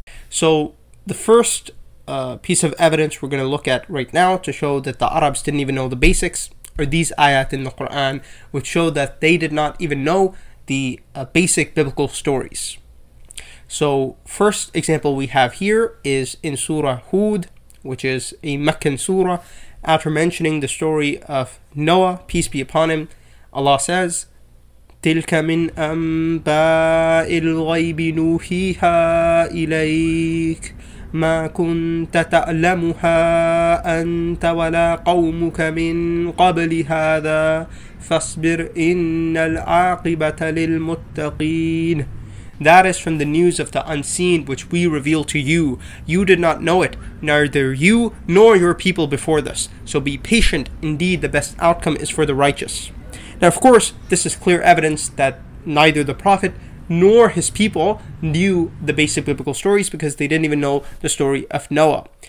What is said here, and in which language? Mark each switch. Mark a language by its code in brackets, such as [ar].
[en] So the first piece of evidence we're going to look at right now to show that the Arabs didn't even know the basics are these ayat in the Quran, which show that they did not even know the basic biblical stories. So first example we have here is in Surah Hud, which is a Meccan surah. After mentioning the story of Noah, peace be upon him, Allah says, [ar] تِلْكَ مِنْ أَنْبَاءِ الْغَيْبِ نُوحِيهَا إِلَيْكَ مَا كُنْتَ تَعْلَمُهَا أَنْتَ وَلَا قَوْمُكَ مِنْ قَبْلِ هَذَا فَاصْبِرْ إِنَّ الْعَاقِبَةَ لِلْمُتَّقِينَ. [en] That is from the news of the unseen which we reveal to you. You did not know it, neither you nor your people before this. So be patient. Indeed, the best outcome is for the righteous. Now, of course, this is clear evidence that neither the Prophet nor his people knew the basic biblical stories, because they didn't even know the story of Noah.